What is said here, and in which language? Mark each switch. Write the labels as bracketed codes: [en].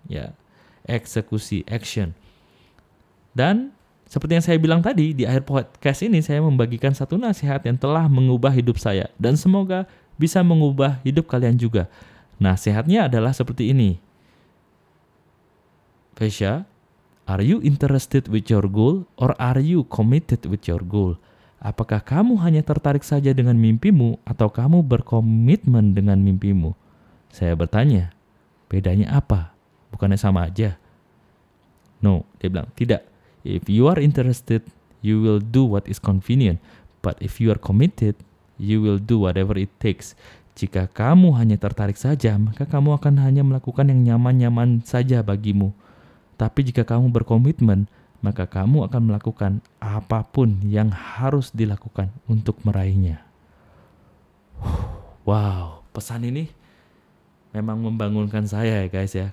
[id] Ya, eksekusi, action. Dan seperti yang saya bilang tadi, di akhir podcast ini saya membagikan satu nasihat yang telah mengubah hidup saya. Dan semoga bisa mengubah hidup kalian juga. Nasihatnya adalah seperti ini. [en] Fesha, are you interested with your goal or are you committed with your goal? [id] Apakah kamu hanya tertarik saja dengan mimpimu atau kamu berkomitmen dengan mimpimu? Saya bertanya, bedanya apa? Bukannya sama aja? No, dia bilang, tidak. [en] If you are interested, you will do what is convenient. But if you are committed, you will do whatever it takes. [id] Jika kamu hanya tertarik saja, maka kamu akan hanya melakukan yang nyaman-nyaman saja bagimu. Tapi jika kamu berkomitmen, maka kamu akan melakukan apapun yang harus dilakukan untuk meraihnya. Wow, pesan ini memang membangunkan saya ya guys ya.